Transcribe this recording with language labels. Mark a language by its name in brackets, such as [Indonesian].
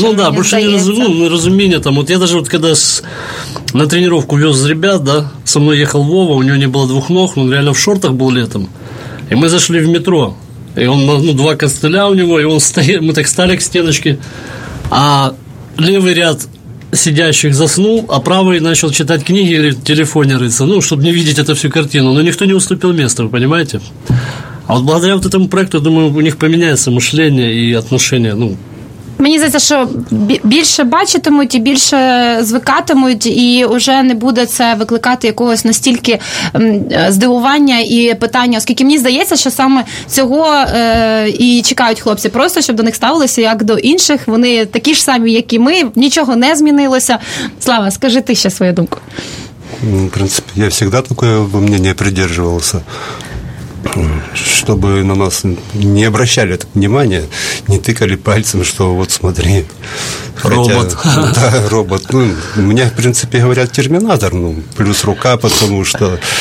[Russian] ну, да, больше неразумение, там, вот я даже вот когда на тренировку вез ребят, да, со мной ехал Вова, у него не было двух ног, он реально в шортах был летом, и мы зашли в метро, и он, ну, два костыля у него, и он стоит, мы так стали к стеночке, а левый ряд сидящих заснул, а правый начал читать книги или в телефоне рыться, ну, чтобы не видеть эту всю картину. Но никто не уступил места, вы понимаете? А вот благодаря вот этому проекту, я думаю, у них поменяется мышление и отношение, ну, [Ukrainian] мені здається, що більше бачитимуть і більше звикатимуть, і вже не буде це викликати якогось настільки здивування і питання, оскільки мені здається, що саме цього і чекають хлопці, просто щоб до них ставилися як до інших, вони такі ж самі, як і ми, нічого не змінилося. Слава, скажи ти ще свою думку. [Russian] В принципе, я всегда такое мнение придерживался, чтобы на нас не обращали внимания, не тыкали пальцем, что вот смотри. Робот. Хотя, да, робот. Ну, у меня, в принципе, говорят, терминатор, ну, плюс рука, потому что...